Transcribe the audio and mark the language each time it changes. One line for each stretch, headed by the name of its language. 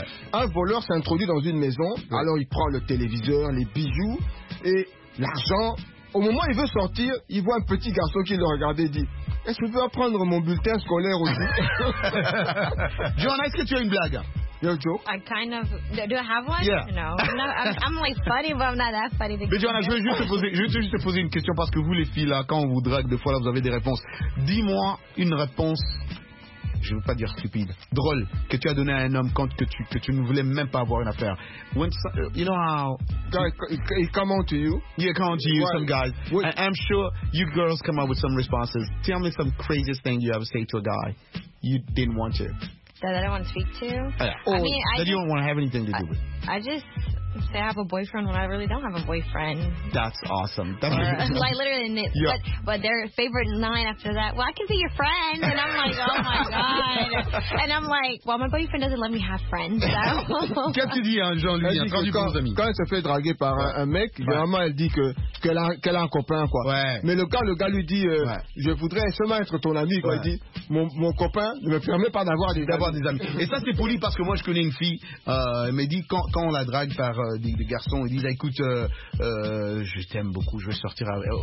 French: Ouais. Un voleur s'introduit dans une maison, ouais. Alors il prend le téléviseur, les bijoux et l'argent. Au moment où il veut sortir, il voit un petit garçon qui le regardait et dit « Est-ce que tu veux apprendre mon bulletin scolaire aussi ?» Johanna, est-ce que tu as une blague ?
English: Yo, Joe. I kind of... Do I have one? Yeah. No. I'm like funny, but I'm not that funny.
French: Mais Johanna, je vais juste te poser une question parce que vous, les filles, là, quand on vous drague, des fois, là, vous avez des réponses. Dis-moi une réponse, je ne veux pas dire stupide, drôle, que tu as donné à un homme quand que tu ne voulais même pas avoir une affaire.
English: You know how... He come on to you. Yeah, come on to you, some guy. I'm sure you girls come up with some responses. Tell me some craziest thing you ever say to a guy you didn't want to. That I don't want to speak to? You don't want to have anything to do with. I just say I have a boyfriend when I really don't have a boyfriend. That's awesome. Like, literally, but their favorite line after that, well, I can be your friend. And I'm like, oh, my God. And I'm like, well, my boyfriend doesn't let me have friends, so.
French: Qu'est-ce que tu dis, hein, Jean-Louis, hein, quand elle se fait draguer par un mec, vraiment, elle dit qu'elle a un copain, quoi. Ouais. Mais le gars lui dit, je voudrais seulement être ton ami, quoi. Ouais. Il dit, mon copain ne me permet pas d'avoir des amis. Et ça, c'est poli parce que moi, je connais une fille. Elle m'a dit, quand on la drague par des garçons, ils disent, écoute, je t'aime beaucoup, je vais sortir avec...